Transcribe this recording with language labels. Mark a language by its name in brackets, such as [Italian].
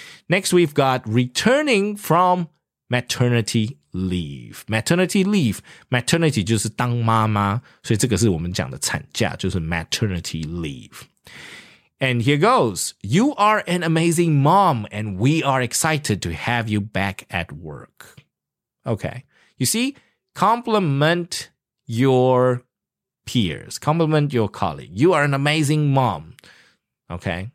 [English] Next, we've got returning from maternity leave. Maternity leave. [Chinese] Maternity就是当妈妈, 所以这个是我们讲的产假,就是 maternity leave. [English] And here goes. You are an amazing mom, and we are excited to have you back at work. Okay. You see, compliment your peers. Compliment your colleague. You are an amazing mom. Okay.